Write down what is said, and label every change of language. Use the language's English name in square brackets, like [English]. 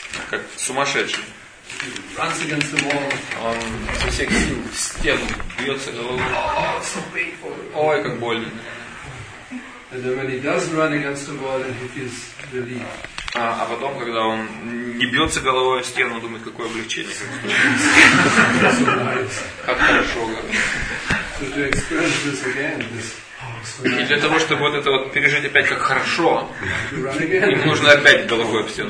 [Russian] Как сумасшедший. Он со всех сил в стену бьется головой. Ой, как больно. [English] And when he does run against the wall, and he feels relieved. [Russian] А потом, когда он не бьется головой о стену, думает, какое облегчение. Как хорошо. И для того, чтобы вот это вот пережить опять как хорошо, им нужно опять головой об стену